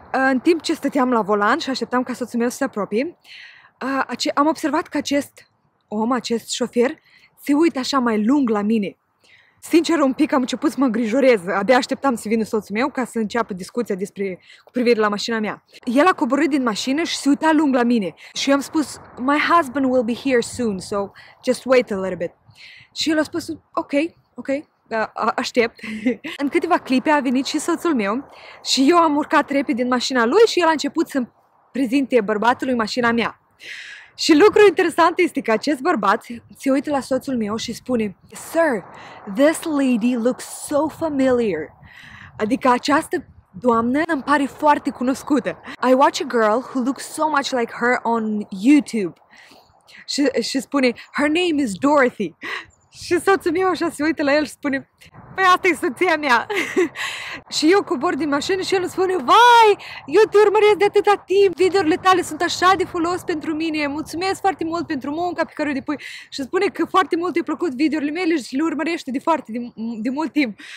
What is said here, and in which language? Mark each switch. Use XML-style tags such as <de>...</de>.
<ro>În timp ce stăteam la volan și așteptam ca soțul meu să se apropie, am observat că acest om, acest șofer, se uită așa mai lung la mine. Sincer, un pic am început să mă îngrijorez. Abia așteptam să vină soțul meu ca să înceapă discuția despre, cu privire la mașina mea. El a coborât din mașină și se uita lung la mine. Și eu am spus,</ro> <en>my husband will be here soon, so just wait a little bit.</en> <ro>Și el a spus, ok, aștept. În câteva clipe a venit și soțul meu și eu am urcat repede din mașina lui și el a început să-mi prezinte bărbatului mașina mea. Și lucru interesant este că acest bărbat se uită la soțul meu și spune,</ro> <en>Sir, this lady looks so familiar.</en> <ro>Adică această doamnă îmi pare foarte cunoscută.</ro> <en>I watch a girl who looks so much like her on YouTube.</en> <ro>Și spune,</ro> <en>her name is Dorothy.</en> <ro>Și soțul meu așa se uită la el și spune, păi asta e soția mea. Și eu cobor din mașină și el îmi spune, vai, eu te urmăresc de atâta timp, videourile tale sunt așa de folos pentru mine, mulțumesc foarte mult pentru munca pe care o depui. Și spune că foarte mult i-a plăcut videourile mele și le urmărește de foarte de mult timp.</ro>